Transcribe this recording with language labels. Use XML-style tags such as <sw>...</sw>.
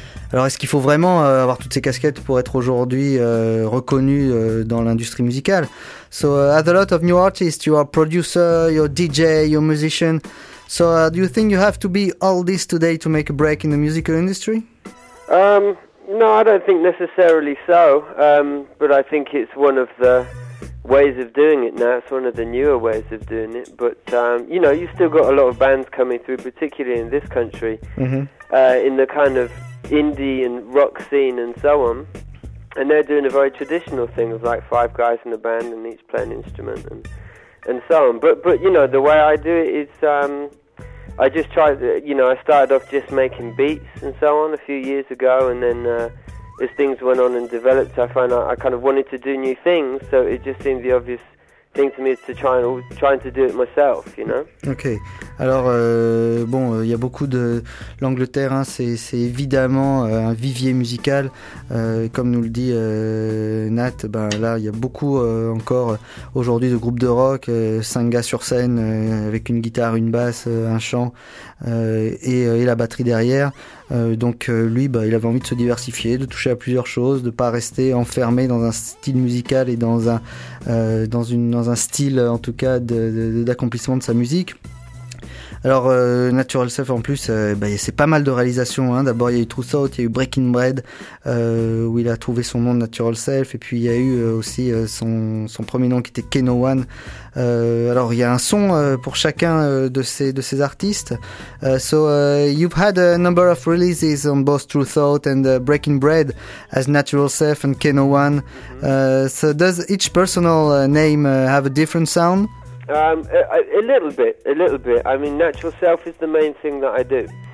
<fr>Alors, est-ce qu'il faut vraiment avoir toutes ces casquettes pour être aujourd'hui reconnu dans l'industrie musicale?</fr> <en>So, as a lot of new artists, you are producer, you're DJ, you're musician. So, do you think you have to be all this today to make a break in the musical industry? No, I don't think necessarily so. But I think it's one of the ways of doing it now. It's one of the newer ways of doing it. But, you know, you've still got a lot of bands coming through, particularly in this country, in the kind of indie and rock scene and so on, and they're doing a very traditional thing of like five guys in a band and each playing an instrument and so on, but you know, the way I do it is I just try to, you know, I started off just making beats and so on a few years ago, and then as things went on and developed, I found out I kind of wanted to do new things, so it just seemed the obvious thing to me is to trying to do it myself, you know. Okay.</en> <fr>Alors bon, il y a beaucoup de l'Angleterre, hein, c'est évidemment un vivier musical, comme nous le dit Nat. Ben là, il y a beaucoup encore aujourd'hui de groupes de rock, 5 gars sur scène avec une guitare, une basse, un chant et la batterie derrière. Donc lui, bah, il avait envie de se diversifier, de toucher à plusieurs choses, de pas rester enfermé dans un style musical et dans un style en tout cas d'accomplissement de sa musique. Alors Natural Self en plus, bah, c'est pas mal de réalisations, hein. D'abord il y a eu Truth Out, il y a eu Breaking Bread, où il a trouvé son nom de Natural Self, et puis il y a eu aussi son premier nom qui était Keno One. Alors il y a un son pour chacun de ces artistes.</fr> <en>So you've had a number of releases on both Truth Out and Breaking Bread as Natural Self and Keno One. So does each personal name have a different sound? A little bit. I mean, Natural Self is the main thing that I do.</en>